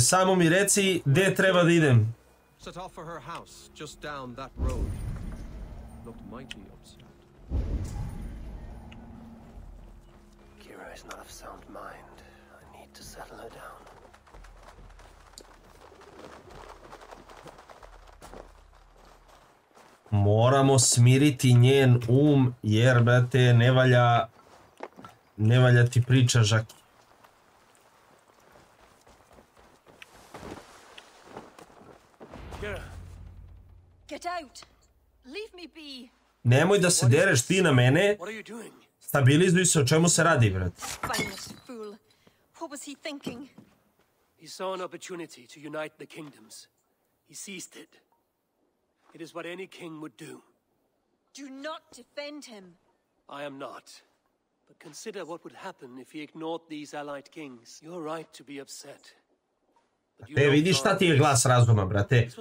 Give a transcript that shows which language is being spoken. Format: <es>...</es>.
<sr>Samo mi reci gde treba da idem.</sr> <en>Set off for her house, just down that road. Looked mighty upset. Kira is not of sound mind. I need to settle her down.</en> <sr>Moramo smiriti njen um, jer, brate, ne valja, ne valja ti priča, Žaki.</sr> <en>Get out. Leave me be.</en> <sr>Nemoj da se dereš ti na mene. Stabilizuj se, o čemu se radi, brate.</sr> <en>Finest fool. What was he thinking? He saw an opportunity to unite the kingdoms. He seized it. It is what any king would do. Do not defend him. I am not. But consider what would happen if he ignored these allied kings. You're right to be upset.</en> <sr>E, vidiš šta ti je glas razuma, brate.</sr>